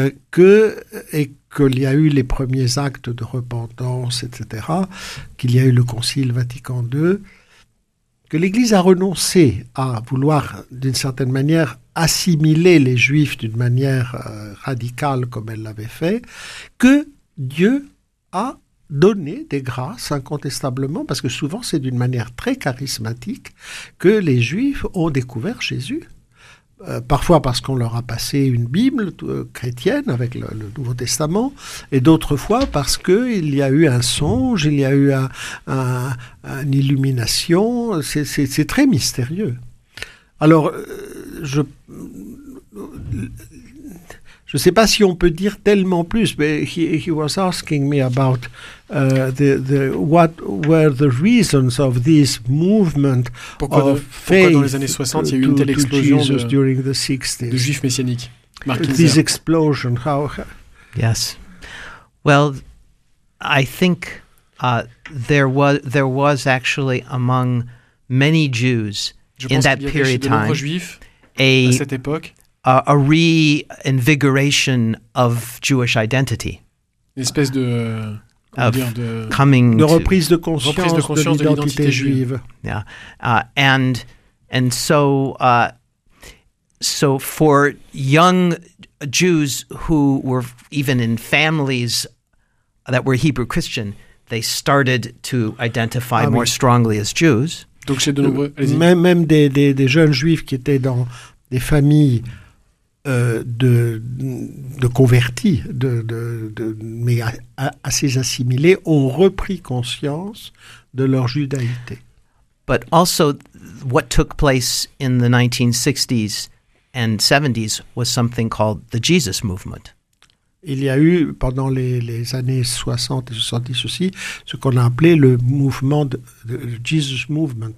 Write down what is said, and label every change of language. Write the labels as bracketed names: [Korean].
[French] qu'il y a eu les premiers actes de repentance, etc., qu'il y a eu le Concile Vatican II, que l'Église a renoncé à vouloir, d'une certaine manière, assimiler les Juifs d'une manière radicale comme elle l'avait fait, que Dieu a donné des grâces incontestablement, parce que souvent c'est d'une manière très charismatique que les Juifs ont découvert Jésus. Parfois parce qu'on leur a passé une Bible chrétienne avec le Nouveau Testament, et d'autres fois parce qu'il y a eu un songe, il y a eu une illumination. C'est très mystérieux. Alors, je ne sais pas si on peut dire tellement plus, mais [English] he was asking me about what were the reasons of this movement. [French] Pourquoi [English] of faith [French] dans les années 60 il y a eu une telle explosion de juifs messianiques? [English] This explosion, how? Yes. Well, I think there was actually among many Jews in that period time. [French] Je pense qu'il y avait chez de nombreux juifs à cette époque. [English] A reinvigoration of Jewish identity. [French] Une espèce de, [English] coming [French] de reprise de conscience de l'identité juive. [English] Yeah. And so for young Jews who were even in families that were Hebrew Christian, they started to identify more strongly as Jews. [French] Donc chez de nombreux, même des jeunes juifs qui étaient dans des familles de convertis, mais assez assimilés, ont repris conscience de leur judaïté. [English] But also, what took place in the 1960s and 70s was something called the Jesus Movement. [French] Il y a eu, pendant les années 60 et 70 aussi, ce qu'on a appelé le mouvement de Jesus Movement.